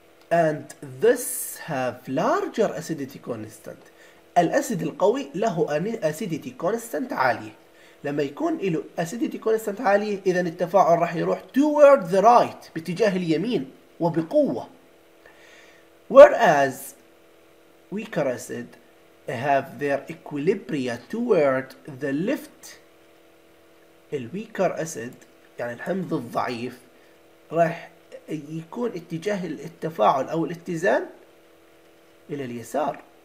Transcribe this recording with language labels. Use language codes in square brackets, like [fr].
[en] And this have larger acidity constant. [ar] الأسيد القوي له acidity constant عالية. لما يكون له acidity constant عالية إذا التفاعل راح يروح [en] toward the right [ar] باتجاه اليمين وبقوة. [en] Whereas weaker acid have their equilibria toward the left. [ar] ال weaker acid يعني الحمض الضعيف راح يكون اتجاه التفاعل أو الاتزان إلى اليسار.